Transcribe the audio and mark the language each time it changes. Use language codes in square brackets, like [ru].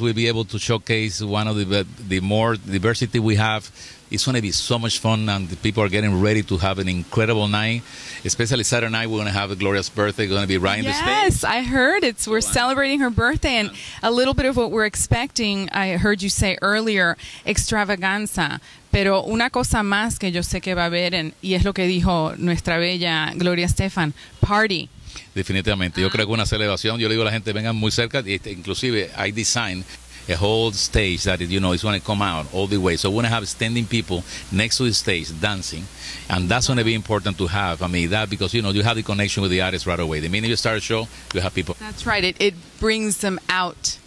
[en] We'll be able to showcase one of the more diversity we have. It's going to be so much fun, and the people are getting ready to have an incredible night. Especially Saturday night, we're going to have a glorious birthday. We're going to be right in the stage. Yes, I heard. We're celebrating her birthday, and a little bit of what we're expecting, I heard you say earlier, extravaganza. [es] Pero una cosa más que yo sé que va a haber, y es lo que dijo nuestra bella Gloria Estefan, party. Definitivamente. Yo creo que una celebración. Yo le digo a la gente, vengan muy cerca. [en] Inclusive, I designed a whole stage that, you know, it's going to come out all the way. So we're going to have standing people next to the stage dancing. And that's going to be important to have. I mean, that because, you know, you have the connection with the artists right away. The minute you start a show, you have people. That's right. It brings them out.